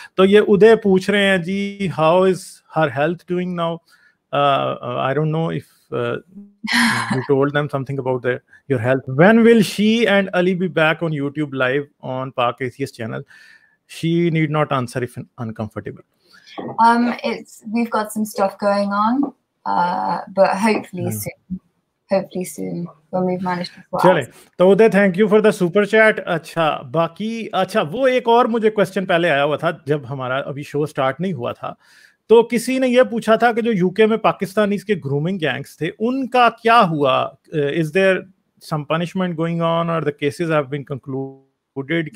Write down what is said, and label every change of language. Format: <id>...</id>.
<hi>तो ये उदय पूछ रहे हैं जी,</hi> <en>How is her health doing now? I don't know if you told them something about your health. When will she and Ali be back on YouTube live on Pak ACS channel? She need not answer if uncomfortable. It's we've got some stuff going on, but hopefully soon when we've managed to pull out.</en> <hi>चले तो उदय,</hi> <en>Thank you for the super chat.</en> <hi>अच्छा बाकी, अच्छा वो एक और मुझे क्वेश्चन पहले आया हुआ था जब हमारा अभी शो स्टार्ट नहीं हुआ था, तो किसी ने ये पूछा था कि जो यूके में पाकिस्तानी के ग्रूमिंग गैंग्स थे उनका क्या हुआ?</hi> <en>Is there some punishment going on और the cases have been concluded?</en>